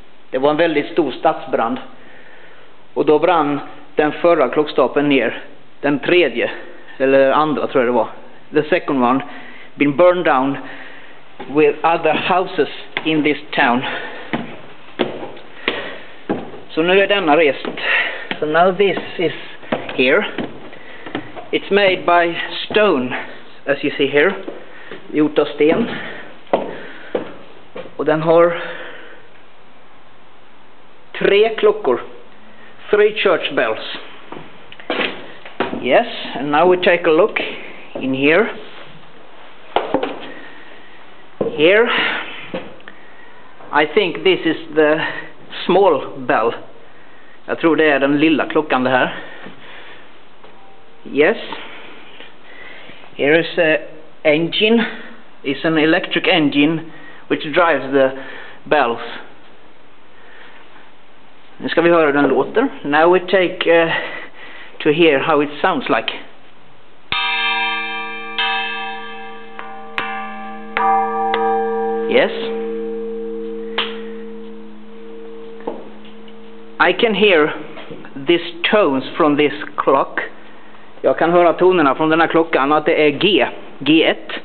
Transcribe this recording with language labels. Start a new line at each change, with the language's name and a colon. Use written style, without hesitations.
Swedish: Det var en väldigt stor stadsbrand. Och då brann den förra klockstapeln ner. Den tredje, eller andra tror jag det var.
English: The second one been burned down with other houses in this town.
Swedish: Så nu är denna rest.
English: So now this is here. It's made by stone. As you see here,
Swedish: gjort av sten. Och den har 3 klockor.
English: 3 church bells. Yes, and now we take a look in here. Here, I think this is the small bell.
Swedish: Jag tror det är den lilla klockan det här.
English: Yes. Here is an engine. It's an electric engine which drives the bells.
Swedish: Nu ska vi höra den låter.
English: Now we take to hear how it sounds like. Yes. I can hear these tones from this clock.
Swedish: Jag kan höra tonerna från den här klockan att det är G, G1.